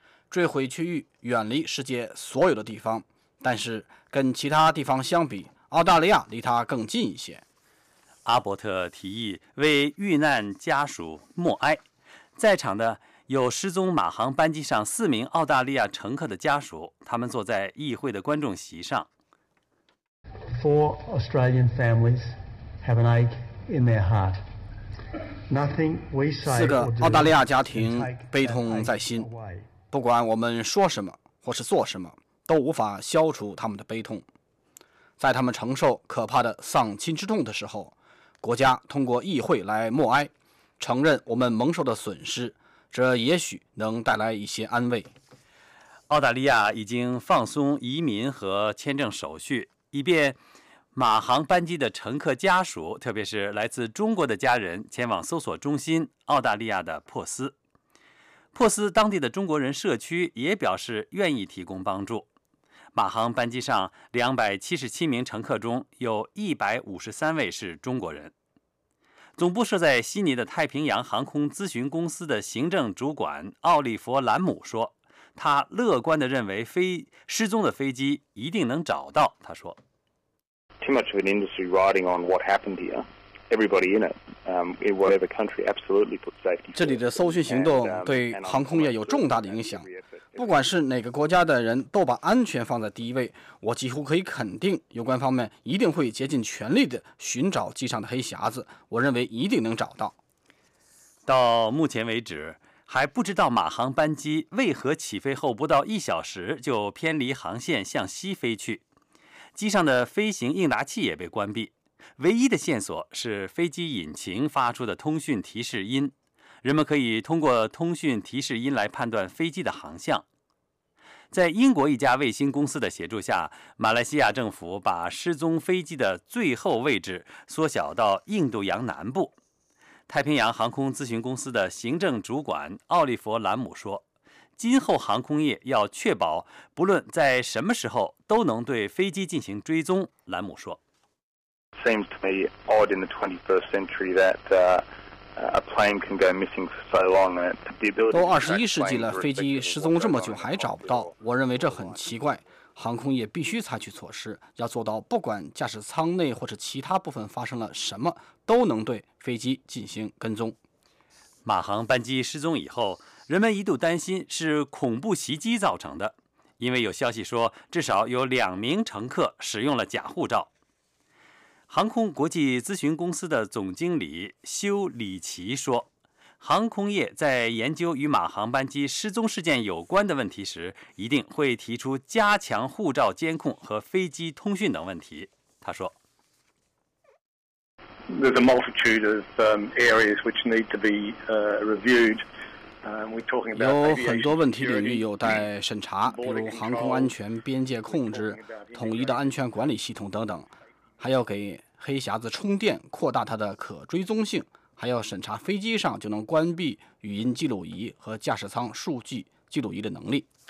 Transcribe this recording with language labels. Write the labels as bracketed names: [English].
[Chinese] 坠毁区域远离世界所有的地方，但是跟其他地方相比，澳大利亚离它更近一些。阿伯特提议为遇难家属默哀，在场的有失踪马航班机上4名澳大利亚乘客的家属，他们坐在议会的观众席上。 [English] Four Australian families have an ache in their heart. Nothing we say. [Chinese] 4个澳大利亚家庭悲痛在心，不管我们说什么或是做什么，都无法消除他们的悲痛。在他们承受可怕的丧亲之痛的时候，国家通过议会来默哀，承认我们蒙受的损失，这也许能带来一些安慰。澳大利亚已经放松移民和签证手续，以便马航班机的乘客家属，特别是来自中国的家人，前往搜索中心澳大利亚的珀斯。珀斯当地的中国人社区也表示愿意提供帮助。马航班机上277名乘客中，有153位是中国人。总部设在悉尼的太平洋航空咨询公司的行政主管奥利弗·兰姆说，他乐观地认为失踪的飞机一定能找到。他说 [English] ：“Too much of an industry riding on what happened here. Everybody in it, in whatever country, absolutely put safety.” [Chinese] 这里的搜寻行动对航空业有重大的影响。不管是哪个国家的人都把安全放在第一位，我几乎可以肯定有关方面一定会竭尽全力地寻找机上的黑匣子，我认为一定能找到。到目前为止还不知道马航班机为何起飞后不到一小时就偏离航线向西飞去，机上的飞行应答器也被关闭，唯一的线索是飞机引擎发出的通讯提示音，人们可以通过通讯提示音来判断飞机的航向。在英国一家卫星公司的协助下，马来西亚政府把失踪飞机的最后位置缩小到印度洋南部。太平洋航空咨询公司的行政主管奥利弗·兰姆说，今后航空业要确保不论在什么时候都能对飞机进行追踪。兰姆说 [English] Seems to me odd in the 21st century that A plane can go missing for so long. [Chinese] 都二十一世纪了，飞机失踪这么久还找不到，我认为这很奇怪。航空业必须采取措施，要做到不管驾驶舱内或者其他部分发生了什么，都能对飞机进行跟踪。马航班机失踪以后，人们一度担心是恐怖袭击造成的，因为有消息说至少有两名乘客使用了假护照。航空国际咨询公司的总经理修里奇说，航空业在研究与马航班机失踪事件有关的问题时，一定会提出加强护照监控和飞机通讯等问题。他说 [English] There's a multitude of areas which need to be reviewed. We're talking about [Chinese] 有很多问题领域有待审查，比如航空安全、边界控制、统一的安全管理系统等等，还要给黑匣子充电，扩大它的可追踪性，还要审查飞机上就能关闭语音记录仪和驾驶舱数据记录仪的能力。